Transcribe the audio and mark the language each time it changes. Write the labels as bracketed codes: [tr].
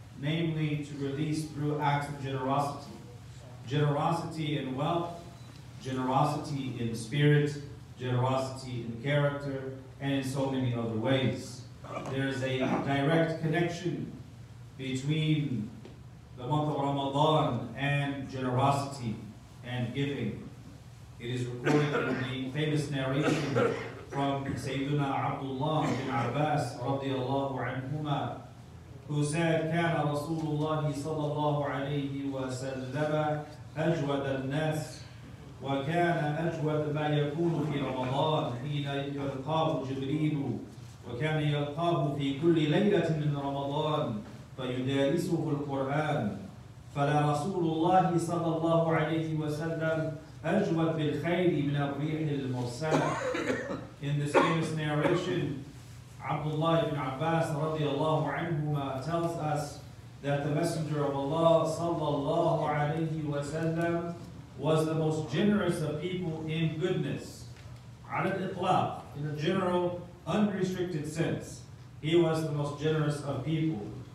[en] Namely, to release through acts of generosity. Generosity in wealth, generosity in spirit, generosity in character, and in so many other ways. There is a direct connection between the month of Ramadan and generosity and giving. It is recorded in the famous narration from Sayyiduna Abdullah bin Abbas radiallahu anhuma, who said, [ar] كان رسول الله صلى الله عليه وسلم أجود الناس وكان أجود ما يكون في رمضان حين يلقاه جبريل وكان يلقاه في كل ليلة من رمضان فيدارسه القرآن فلا رسول الله صلى الله عليه وسلم أجود بالخير من الريح المرسلة. [en] In this famous narration, Abdullah ibn Abbas radiallahu anhuma tells us that the Messenger of Allah sallallahu alayhi wa sallam was the most generous of people in goodness. Al itlaq, in a general, unrestricted sense, he was the most generous of people.